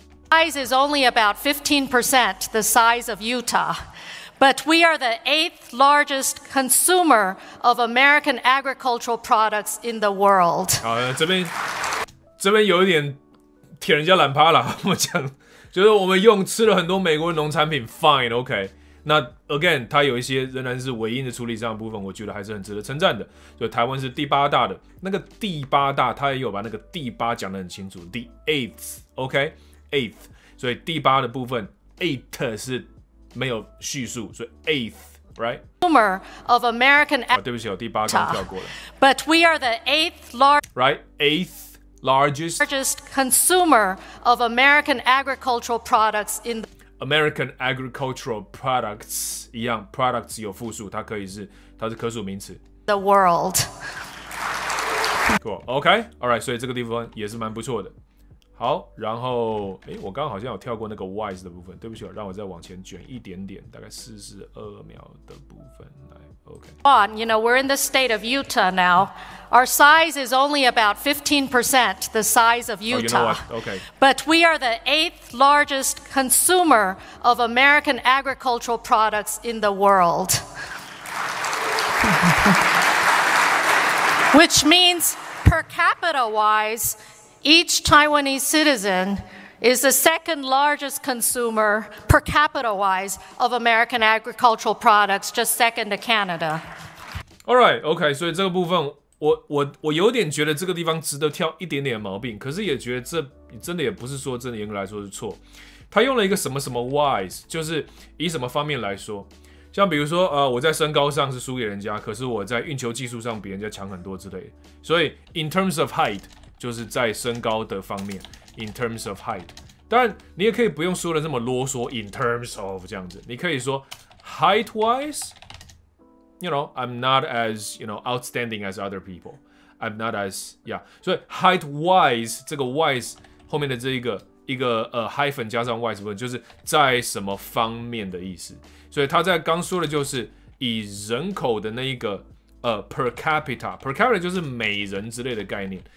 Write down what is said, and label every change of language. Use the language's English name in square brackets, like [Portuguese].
[English] Size is only about 15% the size of Utah. But we are the eighth largest consumer of American agricultural products in the world. [Chinese] 好，这边有一点舔人家懒趴啦，我讲，就是我们用吃了很多美国的农产品 ， [English] fine, OK。 [Chinese] 那 again， 它有一些仍然是尾音的处理上的部分，我觉得还是很值得称赞的。就台湾是第八大的，那个第八大，它也有把那个第八讲得很清楚 ， [English] the eighth, OK, eighth。 [Chinese] 所以第八的部分 ，eight 是。没有叙述，所以 eighth， right？ [English] Consumer of American， [Chinese] 啊，对不起，我第八刚跳过了。 [English] But we are the eighth largest， right？ Eighth largest consumer of American agricultural products in the American agricultural products [Chinese] 一样 ，products 有复数，它可以是它是可数名词。 [English] The world， cool， OK， all right， [Chinese] 所以这个地方也是蛮不错的。好，然后诶，我刚刚好像有跳过那个 wise 的部分，对不起，让我再往前卷一点点，大概42秒的部分来。 [English] OK. On, you know, we're in the state of Utah now. Our size is only about 15% the size of Utah. Oh, you know what? Okay. But we are the eighth largest consumer of American agricultural products in the world. Which means per capita wise. Each Taiwanese citizen is the second largest consumer per capita wise of American agricultural products, just second to Canada. All right, okay. [Chinese] 所以这个部分，我有点觉得这个地方值得挑一点点毛病，可是也觉得这真的也不是说真的严格来说是错。他用了一个什么什么 wise， 就是以什么方面来说，像比如说我在身高上是输给人家，可是我在运球技术上比人家强很多之类的。所以 [English] in terms of height。 [Chinese] 就是在身高的方面 ， [English] in terms of height。 [Chinese] 当然，你也可以不用说的这么啰嗦 [English] ，in terms of [Chinese] 这样子。你可以说 [English] ，height wise， you know， I'm not as you know outstanding as other people。 I'm not as yeah。 [Chinese] 所以 height wise 这个 wise 后面的这一个hyphen 加上 wise 部分，就是在什么方面的意思。所以他在刚说的就是以人口的那一个。 per capita， per capita 就是每人之类的概念。